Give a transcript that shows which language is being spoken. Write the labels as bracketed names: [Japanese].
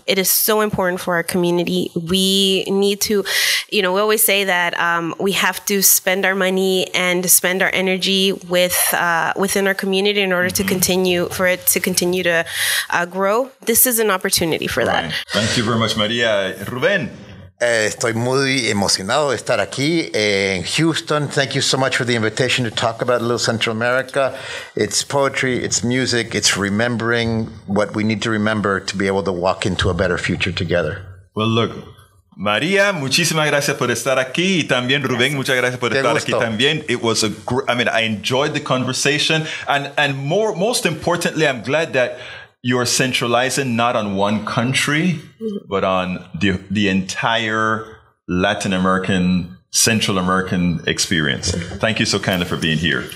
[English] It is so important for our community. We need to, you know, we always say that we have to spend our money and spend our energy within our community in order to continue to grow. This is an opportunity for that. Thank you very much, Maria. Ruben. [Spanish] Estoy muy emocionado de estar aquí en Houston. [English] Thank you so much for the invitation to talk about Little Central America. It's poetry, it's music, it's remembering what we need to remember to be able to walk into a better future together. Well, look, [Spanish] Maria, muchísimas gracias por estar aquí. Y también Rubén, muchas gracias por estar aquí también. [English] It was I enjoyed the conversation. And more, most importantly, I'm glad that you're centralizing not on one country, but on the entire Latin American Central American experience. Thank you so kindly for being here.